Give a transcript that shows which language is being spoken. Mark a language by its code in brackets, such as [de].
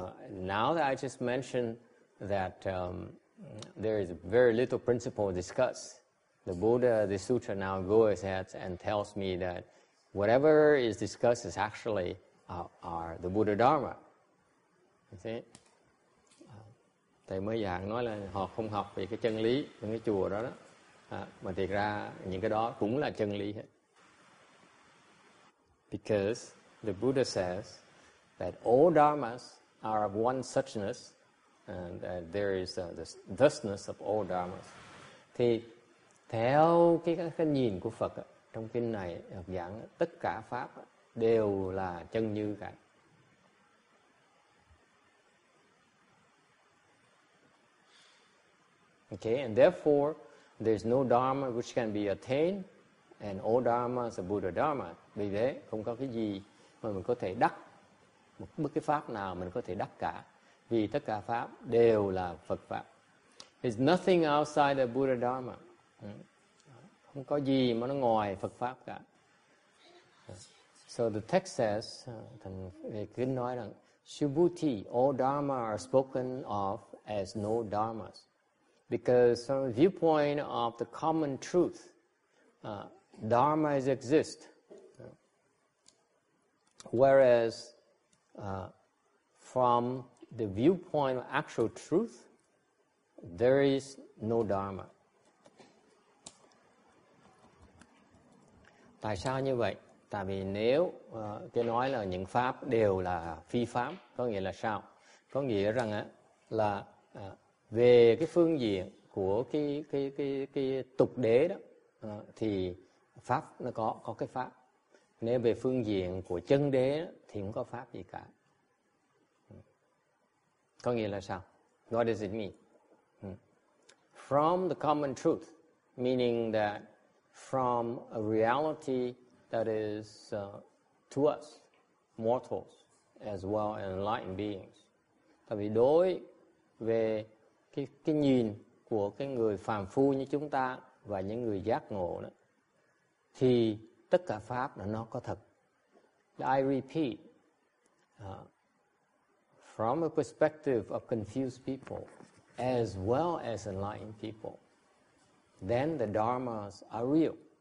[en] Now that I just mentioned that there is very little principle discussed, the Buddha, the Sutra now goes ahead and tells me that whatever is discussed is actually are the Buddha Dharma. You see? [vi] Thầy mới giảng nói là họ không học về cái chân lý trong cái chùa đó đó. Mà thiệt ra những cái đó cũng là chân lý hết. [en] Because the Buddha says that all dharmas are of one suchness and that there is this thusness of all dharmas. [vi] Thì theo cái nhìn của Phật trong kinh này học giảng tất cả pháp đều là chân như cả. [en] Okay, and therefore there's no dharma which can be attained and all dharmas are Buddha dharma. [vi] Vì thế không có cái gì mà mình có thể đắc, một bất cứ pháp nào mình có thể đắc cả, vì tất cả pháp đều là Phật pháp. [en] There's nothing outside the Buddha dharma. [vi] Không có gì mà nó ngoài Phật pháp cả. [en] So the text says, [vi] thành kinh nói rằng [en] Shubhuti, all dharma are spoken of as no dharmas. Because from the viewpoint of the common truth, dharmas exist. Whereas from the viewpoint of actual truth, there is no dharma. [vi] Tại sao như vậy? Tại vì nếu tôi nói là những pháp đều là phi pháp, có nghĩa là sao? Có nghĩa rằng là về cái phương diện của cái tục đế đó thì pháp nó có cái pháp. Nếu về phương diện của chân đế đó, thì không có pháp gì cả. Có nghĩa là sao? [en] What does it mean? From the common truth, meaning that from a reality that is to us, mortals, as well as enlightened beings. [vi] Tại vì đối về cái nhìn của cái người phàm phu như chúng ta và những người giác ngộ đó, thì tất cả pháp là nó có thật. [en] I repeat, from a perspective of confused people as well as enlightened people, then the dharmas are real.